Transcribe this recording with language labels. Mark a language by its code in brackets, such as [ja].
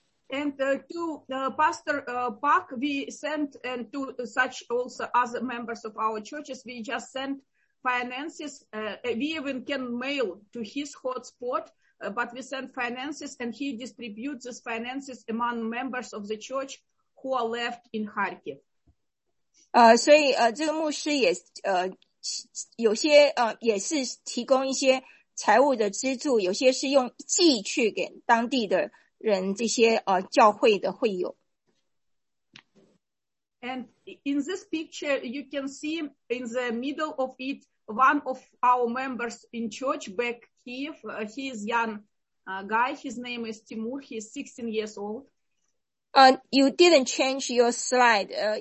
[en] And to Pastor Park, we sent, and to such also other members of our churches, we just sent finances. We even can mail to his hotspot, but we sent finances, and he distributes these finances among members of the church who are left in Kharkiv. [zh] 所以这个牧师也有些也是提供一些财务的资助，有些是用寄去给当地的人这些教会的会友。 [en] And in this picture, you can see in the middle of it, one of our members in church back Kiev. He is young guy. His name is Timur. He is 16 years old. You didn't change your slide.